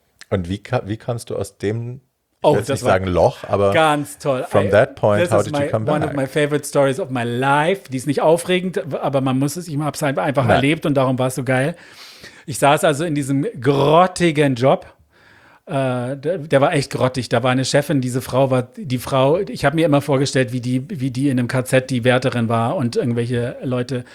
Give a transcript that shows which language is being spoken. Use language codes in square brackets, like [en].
[de] Und wie kamst du aus dem, Loch, aber ganz toll. [en] From that point, how did you come back? One of my favorite stories of my life. [de] Die ist nicht aufregend, aber man muss es, ich habe es einfach erlebt und darum war es so geil. Ich saß also in diesem grottigen Job. Der war echt grottig. Da war eine Chefin, diese Frau war, die Frau, ich habe mir immer vorgestellt, wie die in einem KZ die Wärterin war und irgendwelche Leute.